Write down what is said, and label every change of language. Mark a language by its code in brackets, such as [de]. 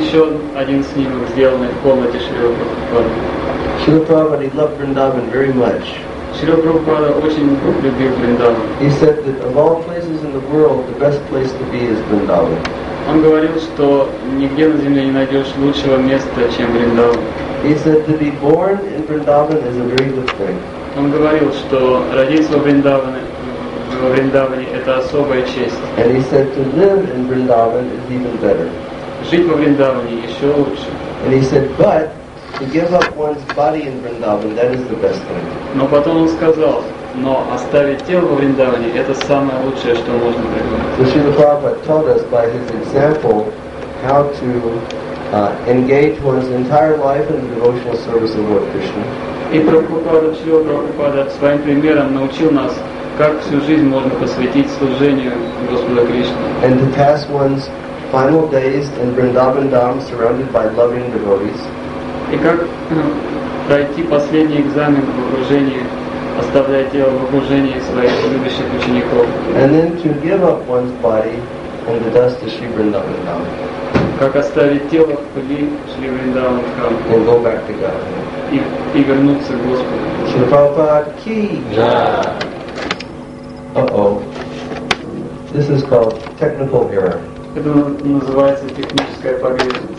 [ru] Еще один снимок, сделанный в комнате Шрила Прабхупада. [en] Шрила Прабхупада, he loved Vrindavan very much. [ru] Шрила Прабхупада очень любил Вриндаван. [en] He said that of all places in the world, the best place to be is Vrindavan. [ru] Он говорил, что нигде на земле не найдешь лучшего места, чем Вриндаван. [en] He said to be born in Vrindavan is a very good thing. [ru] Он говорил, что родиться в Вриндаване это особая честь. [en] And he said to live in Vrindavan is even better. [ru] Жить во Вриндаване еще лучше. [en] And he said, but to give up one's body in Vrindavan, that is the best thing. [ru] Но потом он сказал, но оставить тело во Вриндаване это самое лучшее, что можно придумать. [en] So Srila Prabhupada taught us by his example how to engage one's entire life in the devotional service of Lord Krishna. [ru] И Прабхупада, Шрила Прабхупада своим примером научил нас, как всю жизнь можно посвятить служению Господу Кришне. [en] And to pass one's final days in Vrindavan Dham surrounded by loving devotees. [ru] И как пройти последний экзамен в окружении, оставляя тело в окружении своих любящих учеников. [en] And then to give up one's body in the dust of Sri Vrindavan Dham. [ru] Как оставить тело в пыли Шри Вриндаван Дхам. [en] And go back to God. [ru] И вернуться к Господу. [hi] Шри Прабхупада ки. [en] Uh-oh. This is called technical error. [ru] Это называется техническая погрешность.